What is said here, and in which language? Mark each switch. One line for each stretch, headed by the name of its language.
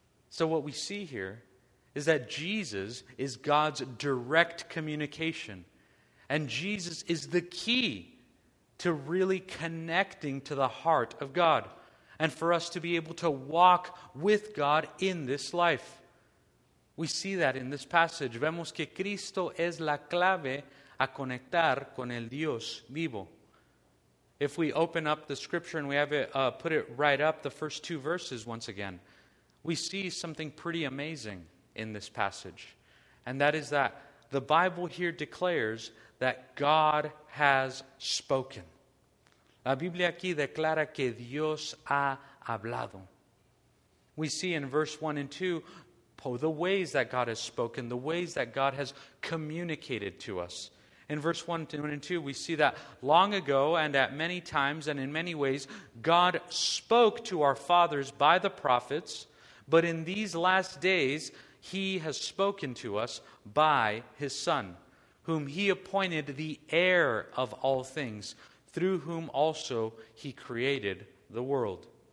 English: So what we see here is that Jesus is God's direct communication. And Jesus is the key to really connecting to the heart of God and for us to be able to walk with God in this life. We see that in this passage.
Spanish: Vemos que Cristo es la clave a conectar con el Dios vivo.
English: If we open up the scripture and we have it put it right up, the first two verses once again, we see something pretty amazing in this passage. And that is that the Bible here declares that God has spoken.
Spanish: La Biblia aquí declara que Dios ha hablado.
English: We see in verse 1 and 2, the ways that God has spoken, the ways that God has communicated to us. In verse 1 and 2, we see that long ago and at many times and in many ways, God spoke to our fathers by the prophets, but in these last days, he has spoken to us by his Son, whom he appointed the heir of all things, through whom also he created the world.